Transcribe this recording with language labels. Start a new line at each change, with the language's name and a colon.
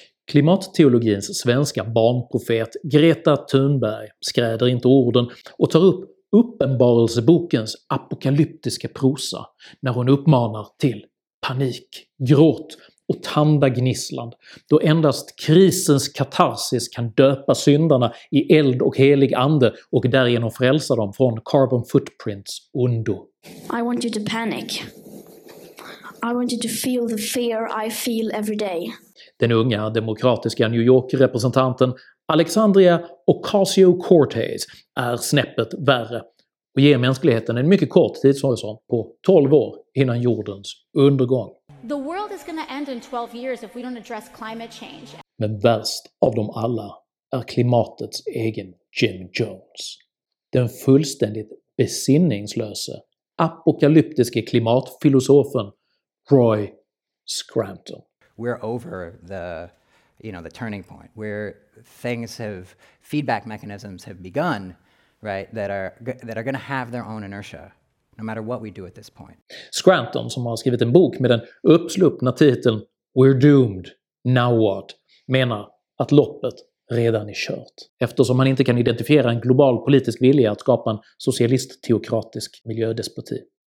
Swedish: Klimatteologins svenska barnprofet Greta Thunberg skräder inte orden och tar upp uppenbarelsebokens apokalyptiska prosa när hon uppmanar till panik, gråt och tandagnisslan, då endast krisens katarsis kan döpa syndarna i eld och helig ande och därigenom frälsa dem från
English: carbon footprints
Swedish: ondo.
English: I want you to panic. I want you to feel the fear I feel every day.
Swedish: Den unga demokratiska New York-representanten Alexandria Ocasio-Cortez är snäppet värre och ger mänskligheten en mycket kort tidshorisont på 12 år innan jordens undergång.
English: The world is going to end in 12 years if we don't address climate change.
Swedish: Men värst av dem alla är klimatets egen Jim Jones. Den fullständigt besinningslöse, apokalyptiske klimatfilosofen Roy Scranton.
English: We're over the, you know, the turning point where things have, feedback mechanisms have begun, right, that are going to have their own inertia. No matter what we do at this point.
Swedish: Scranton, som har skrivit en bok med den uppsluppna titeln We're Doomed, Now What, menar att loppet redan är kört. Eftersom man inte kan identifiera en global politisk vilja att skapa en socialist-teokratisk miljödespoti.